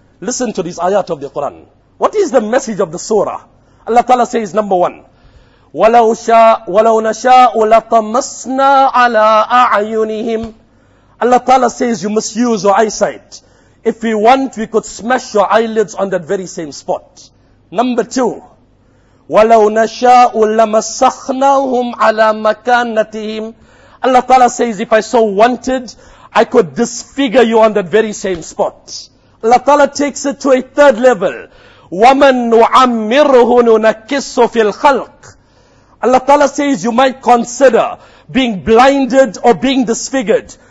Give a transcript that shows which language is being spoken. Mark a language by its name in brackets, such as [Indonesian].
[English] Listen to this ayat of the Quran. What is the message of the surah? Allah Ta'ala says, number one, [Arabic] وَلَوْ نَشَاءُ لَطَمَسْنَا عَلَىٰ أَعْيُنِهِمْ. [English] Allah Ta'ala says, you must use your eyesight. If we want, we could smash your eyelids on that very same spot. Number two, [Arabic] وَلَوْ نَشَاءُ لَمَسَخْنَاهُمْ عَلَىٰ مَكَانَتِهِمْ. [English] Allah Ta'ala says, if I so wanted, I could disfigure you on that very same spot. Allah Ta'ala takes it to a third level. [Arabic] وَمَنْ نُعَمِّرْهُ نُنَكِّسُ فِي الْخَلْقِ. [English] Allah Ta'ala says, you might consider being blinded or being disfigured.